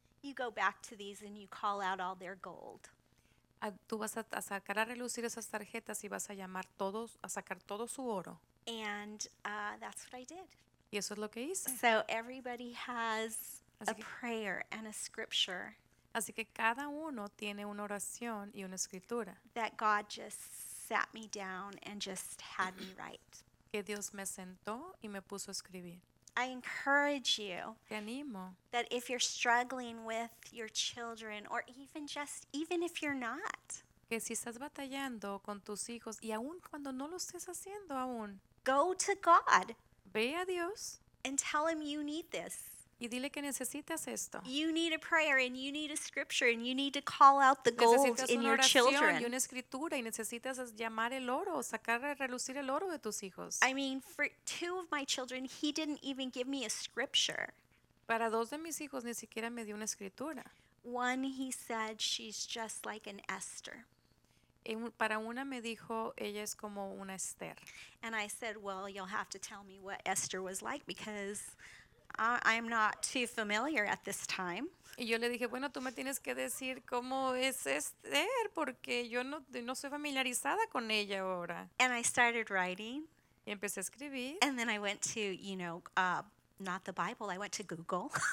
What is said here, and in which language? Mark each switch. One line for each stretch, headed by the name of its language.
English: you go back to these and you call out all their gold.
Spanish: Tú vas a sacar a relucir esas tarjetas y vas a llamar todos, a sacar todo su oro.
English: And that's what I did.
Spanish: Y eso es lo que hice.
English: So everybody has a prayer and a scripture.
Spanish: Así que cada uno tiene una oración y una escritura.
English: That God just sat me down and just had me write.
Spanish: Que Dios me sentó y me puso a escribir.
English: I encourage you.
Spanish: Te animo.
English: That if you're struggling with your children or even if you're not.
Spanish: Que si estás batallando con tus hijos y aun cuando no lo estés haciendo aún.
English: Go to God.
Spanish: Ve a Dios.
English: And tell him you need this.
Spanish: Y dile que necesitas esto.
English: You need a prayer and you need a scripture and you need to call out the gold in your children.
Spanish: Y una escritura y necesitas llamar el oro, sacar a relucir el oro de tus hijos.
English: I mean, for two of my children, he didn't even give me a scripture.
Spanish: Para dos de mis hijos ni siquiera me dio una escritura.
English: One, he said, she's just like an Esther.
Spanish: Para una me dijo, ella es como una Esther.
English: And I said, well, you'll have to tell me what Esther was like because I'm not too familiar at this time.
Spanish: Y yo le dije, bueno, tú me tienes que decir cómo es Esther, porque yo no soy familiarizada con ella ahora.
English: And I started writing.
Spanish: Y empecé a escribir.
English: And then I went to, you know, not the Bible, I went to Google.